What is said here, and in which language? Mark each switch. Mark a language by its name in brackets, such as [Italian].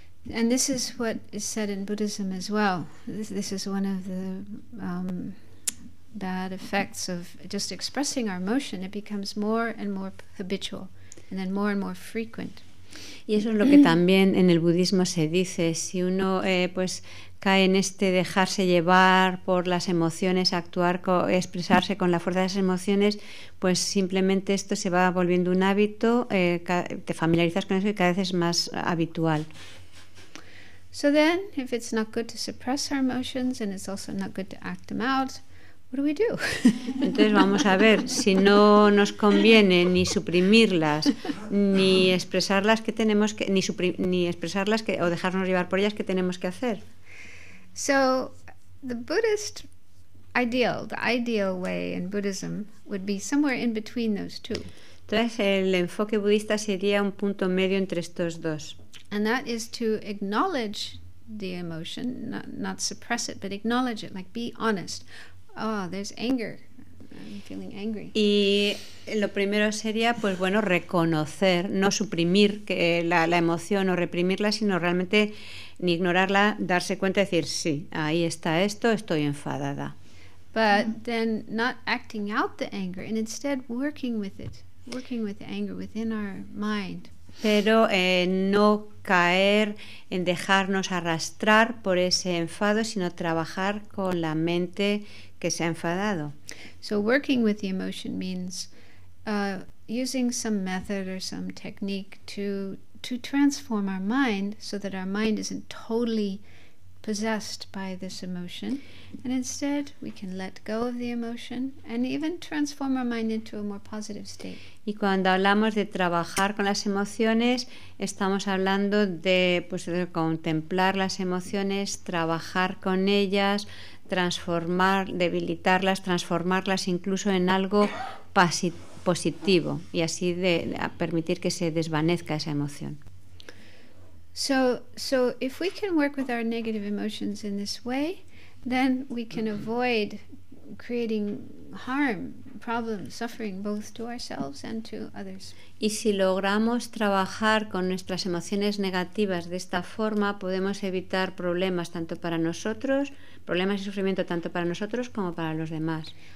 [English] And this is what is said in Buddhism as well. This is one of the bad effects of just expressing our emotion. It becomes more and more habitual, and then more and more frequent. [Spanish] Y eso es lo que también en el budismo se dice. Si uno pues cae en este dejarse llevar por las emociones, actuar, expresarse con la fuerza de esas emociones, pues simplemente esto se va volviendo un hábito, te familiarizas con eso y cada vez es más habitual. [English] So then, if it's not good to suppress our emotions and it's also not good to act them out, what do we do? [Spanish] Entonces vamos a ver, si no nos conviene ni suprimirlas, ni expresarlas que tenemos que, o dejarnos llevar por ellas, ¿qué tenemos que hacer? [English] So, the Buddhist ideal, the ideal way in Buddhism would be somewhere in between those two. [Spanish] Entonces el enfoque budista sería un punto medio entre estos dos. [English] And that is to acknowledge the emotion, not suppress it, but acknowledge it, like be honest. Oh, there's anger. I'm feeling angry. [Spanish] Y lo primero sería, pues bueno, reconocer, no suprimir que la emoción o reprimirla, sino realmente ni ignorarla, darse cuenta y decir, sí, ahí está esto, estoy enfadada. [English] But then not acting out the anger, and instead working with it, working with the anger within our mind. [Spanish] Pero no caer en dejarnos arrastrar por ese enfado, sino trabajar con la mente que se ha enfadado. [English] So working with the emotion means using some method or some technique to transform our mind so that our mind isn't totally possessed by this emotion, and instead we can let go of the emotion and even transform our mind into a more positive state. [Spanish] Y cuando hablamos de trabajar con las emociones, estamos hablando de pues de contemplar las emociones, trabajar con ellas, transformar, debilitarlas, transformarlas incluso en algo positivo y así de permitir que se desvanezca esa emoción. [English] So if we can work with our negative emotions in this way, then we can avoid creating harm, problems, suffering both to ourselves and to others. [Spanish] Y si logramos trabajar con nuestras emociones negativas de esta forma, podemos evitar problemas tanto para nosotros, problemas y sufrimiento tanto para nosotros como para los demás.